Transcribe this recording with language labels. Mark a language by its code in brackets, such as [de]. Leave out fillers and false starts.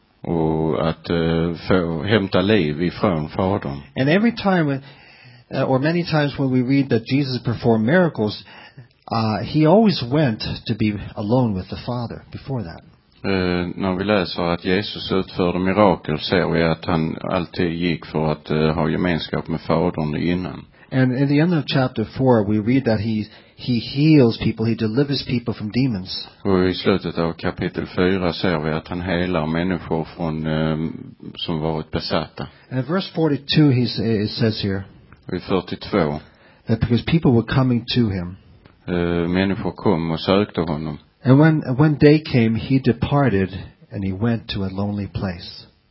[sv] Och att hämta liv ifrån Fadern. [en] And every time, or many times when we read that Jesus performed miracles, he always went to be alone with the Father before that. [sv] När vi läser att Jesus utförde mirakel ser vi att han alltid gick för att ha gemenskap med Fadern innan. [en] And in the end of chapter 4 we read that he heals people, he delivers people from demons. [sv] Och i slutet av kapitel 4 ser vi att han helar människor från som varit besatta. [en] And verse 42 it says here. [sv] Vid 42. [en] That because people were coming to him. [sv] Människor kom och sökte honom. [en] And when day came, he departed and he went to a lonely place.